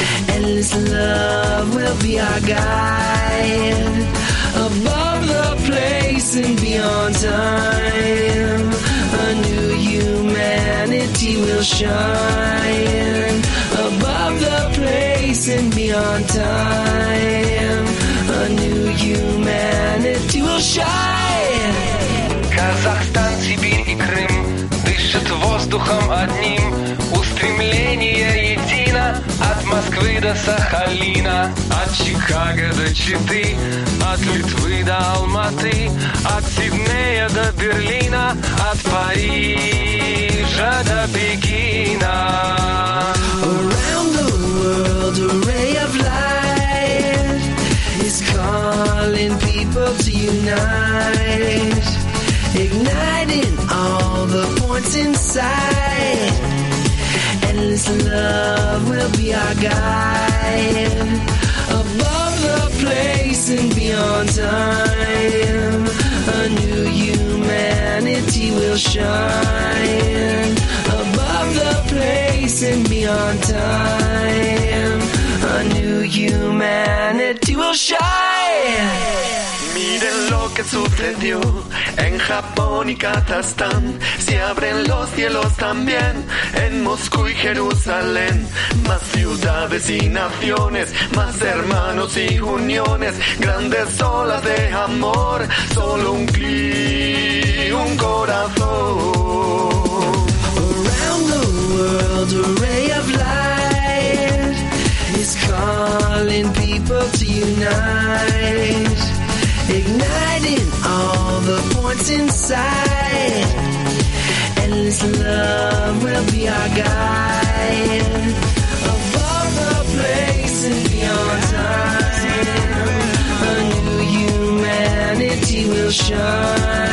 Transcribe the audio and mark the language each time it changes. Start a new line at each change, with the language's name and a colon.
English: Endless love will be our guide Above the place and beyond time A new humanity will shine Above the place and beyond time A new humanity will shine Kazakhstan, Sibir and Krim
Russian: воздухом одним устремление едино от Москвы до Сахалина, от Чикаго до Читы, от Литвы до Алматы, от Сиднея до Берлина, от Парижа до Пекина.
English: Around the world, a ray of light is calling people to unite, igniting all the points inside. Endless love will be our guide, above the place and beyond time. A new humanity will shine, above the place and beyond time. A new humanity will shine.
Spanish: Miren lo que sucedió en Japón y Kazajstán. Se abren los cielos también en Moscú y Jerusalén. Más ciudades y naciones, más hermanos y uniones, grandes olas de amor, solo un clic, un corazón.
English: Around the world, a ray of light is calling people to unite, igniting all the points inside. Endless love will be our guide, above the place and beyond time. A new humanity will shine.